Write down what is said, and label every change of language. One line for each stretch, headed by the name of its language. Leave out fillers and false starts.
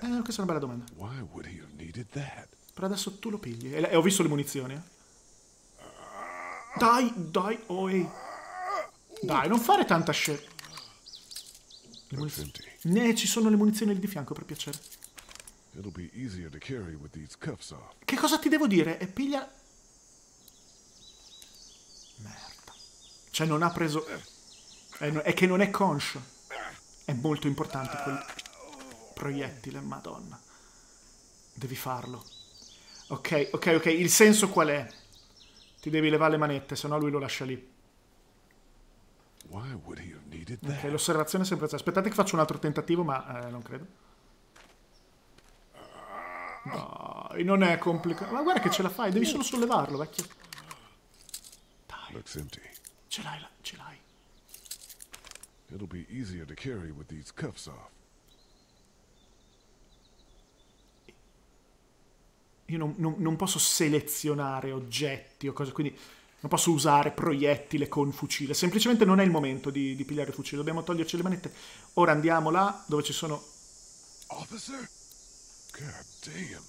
Italian: Questa è una bella domanda.
English: Why would he have needed that?
Italian: Però adesso tu lo pigli. E ho visto le munizioni. Dai, oi. Dai, non fare tanta scelta. Le munizioni. Ci sono le munizioni lì di fianco, per piacere.
English: It'll be easier to carry with these cuffs off.
Italian: Che cosa ti devo dire? E piglia... Merda. Cioè, non ha preso... È che non è conscio. È molto importante quel proiettile, madonna. Devi farlo. Ok. Il senso qual è? Ti devi levare le manette, sennò lui lo lascia lì.
English: Why would he have needed that?
Italian: Ok, l'osservazione è sempre... Aspettate che faccio un altro tentativo, ma non credo. No, non è complicato. Ma guarda che ce la fai, devi solo sollevarlo, vecchio. Dai.
English: Looks empty.
Italian: Ce l'hai.
English: It'll be easier to carry with these cuffs off.
Italian: Io non posso selezionare oggetti o cose, quindi non posso usare proiettile con fucile. Semplicemente non è il momento di pigliare il fucile. Dobbiamo toglierci le manette. Ora andiamo là dove ci sono.
English: Officer? God damn.